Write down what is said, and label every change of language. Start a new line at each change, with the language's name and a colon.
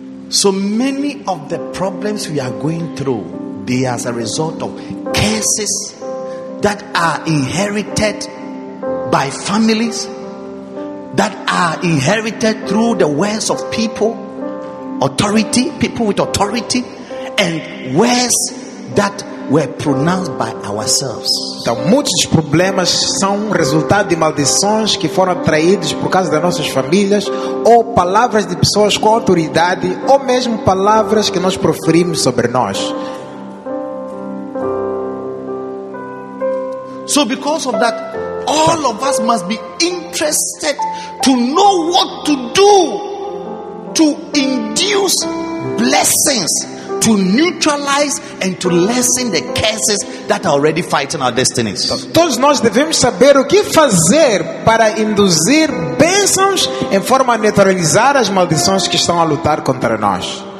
English: So many of the problems we are going through, they are as a result of curses that are inherited by families, that are inherited through the words of people, authority, people with authority, and words that were pronounced by ourselves.
Portuguese: Então, muitos problemas são resultado de maldições que foram atraídas por causa das nossas famílias, ou palavras de pessoas com autoridade, ou mesmo palavras que nós proferimos sobre nós.
English: So because of that, all of us must be interested to know what to do to induce blessings, to neutralize and to lessen the curses that are already fighting our destinies.
Portuguese: Todos nós devemos saber o que fazer para induzir bênçãos em forma a neutralizar as maldições que estão a lutar contra nós.